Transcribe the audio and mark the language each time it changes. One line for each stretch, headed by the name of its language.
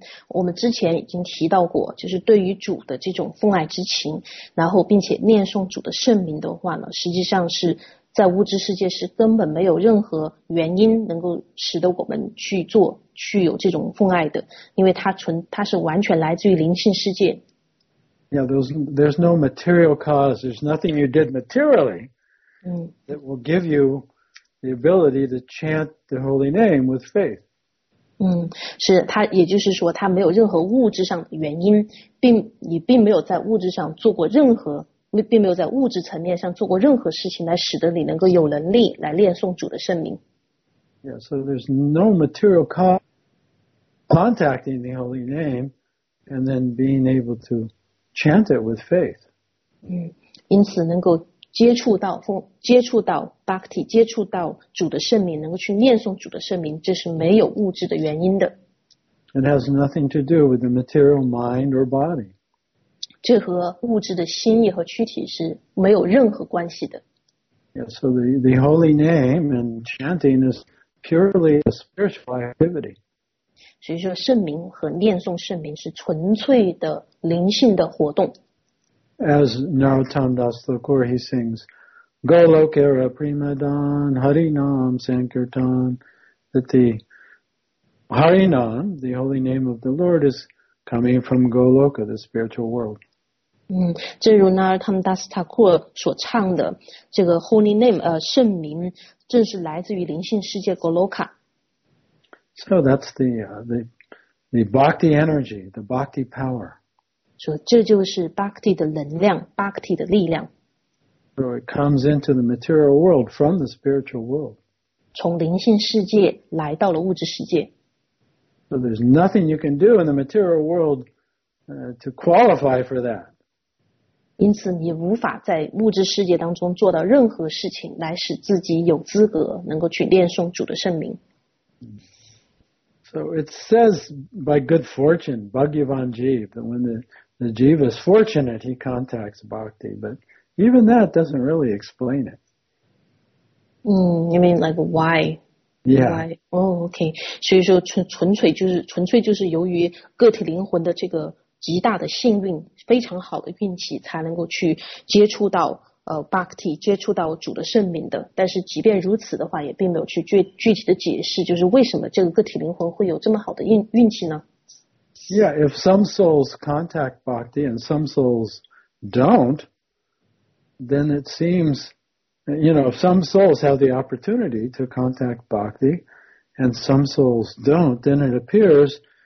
Chinese: 我们之前已经提到过，就是对于主的这种奉爱之情，然后并且念诵主的圣名的话呢，实际上是在物质世界是根本没有任何原因能够使得我们去做，去有这种奉爱的，因为它是完全来自于灵性世界。
English: Yeah, there's no material cause. There's nothing you did materially that will give you. The ability to chant the holy name with faith.
Chinese: 是他，也就是说，他没有任何物质上的原因，并没有在物质上做过任何，并没有在物质层面上做过任何事情来使得你能够有能力来念诵主的圣名。
English: Yeah, so there's no material contacting the holy name and then being able to chant it with faith.
Chinese: 因此能够。接触到 Bhakti, 接触到主的圣名，能够去念诵主的圣名，这是没有物质的原因的。
English: It has nothing to do with the material mind or body.
Chinese: 这和物质的心意和躯体是没有任何关系的。
English: Yeah, so the holy name and chanting is purely a spiritual activity.
Chinese: 所以说圣名和念诵圣名是纯粹的灵性的活动。
English: As Narottam Das Thakur, he sings,
Bangla: Golokera Primadan, Harinam Sankirtan,
English: that the Harinam, the holy name of the Lord, is coming from Goloka, the spiritual world.
Chinese: 正如 Narottam Das Thakur 所唱的这个 holy name, 圣名正是来自于灵性世界 Goloka.
English: So that's the bhakti energy, the bhakti power.
Chinese: 说这就是 Bhakti 的能量 Bhakti 的力量
English: So it comes into the material world from the spiritual world
Chinese: 从灵性世界来到了物质世界
English: So there's nothing you can do in the material world to qualify for that
Chinese: 因此你无法在物质世界当中做到任何事情来使自己有资格能够去念诵主的圣名
English: So it says by good fortune Bhagavan Jeev that when the jiva is fortunate, he contacts bhakti, but even that doesn't really explain it. You mean like why? Yeah. Why? Oh, okay.
Chinese: 所以说纯粹就是由于个体灵魂的这个极大的幸运，非常好的运气，才能够去接触到bhakti， 接触到主的圣名的。但是即便如此的话，也并没有去具体的解释，就是为什么这个个体灵魂会有这么好的运气呢？
English: Yeah, if some souls contact bhakti and some souls don't, then it seems, you know, if some souls have the opportunity to contact bhakti and some souls don't, then it appears